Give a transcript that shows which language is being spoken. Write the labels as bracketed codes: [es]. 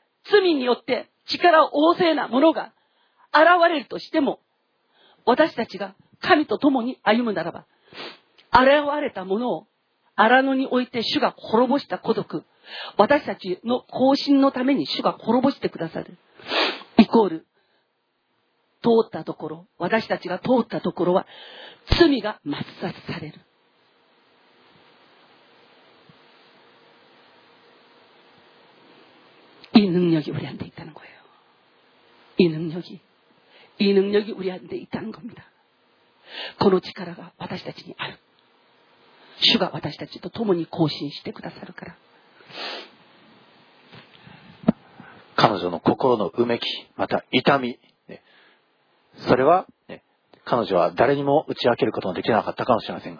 [ja] 罪によって力旺盛なものが現れるとしても 私たちが神と共に歩むならば 現れたものを荒野において主が滅ぼした孤独 私たちの行進のために主が滅ぼしてくださる イコール通ったところ 私たちが通ったところは 罪が抹殺される [ko] 이 능력이 우리한테 있다는 거예요. 이 능력이 우리한테 있다는 겁니다. [ja] この力が私たちにある 主が私たちと共に行進してくださるから彼女の心のうめき、また痛み、ね、それは、ね、彼女は誰にも打ち明けることができなかったかもしれません。